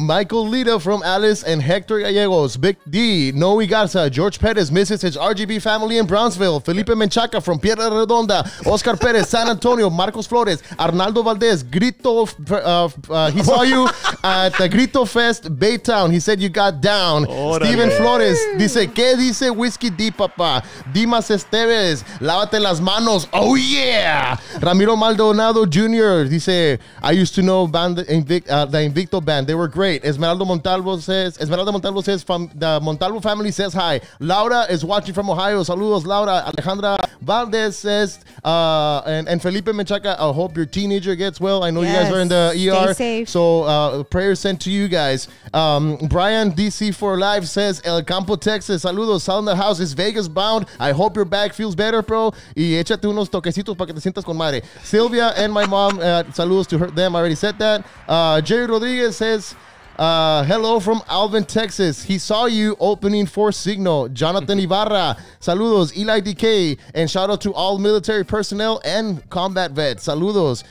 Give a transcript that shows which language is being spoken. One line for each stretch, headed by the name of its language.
English: Michael Lita from Alice and Hector Gallegos. Big D, Noe Garza, George Perez misses his RGB family in Brownsville. Felipe Menchaca from Piedra Redonda. Oscar Perez, San Antonio. Marcos Flores, Arnaldo Valdez, Grito. He saw you at the Grito Fest Baytown. He said you got down. Orale.
Spanish: Steven Flores dice, ¿qué dice Whiskey D, papá? Dimas Esteves, lávate las manos.
English: Oh, yeah. Ramiro Maldonado Jr. dice, I used to know band the Invicto band. They were great. Esmeralda Montalvo says, from the Montalvo family says hi. Laura is watching from Ohio. Saludos, Laura. Alejandra Valdez says, and Felipe Menchaca, I hope your teenager gets well. I know, yes, you guys are in the ER. Stay safe. So prayers sent to you guys. Brian DC for Life says, El Campo, Texas. Saludos. Sound the house is Vegas bound. I hope your back feels better, bro.
Spanish: Y échate unos toquecitos para que te sientas con madre.
English: Sylvia and my mom, saludos to her, them. I already said that. Jerry Rodriguez says, hello from Alvin, Texas. He saw you opening for Signal. Jonathan Ibarra, saludos. Eli DK, and shout out to all military personnel and combat vets. Saludos.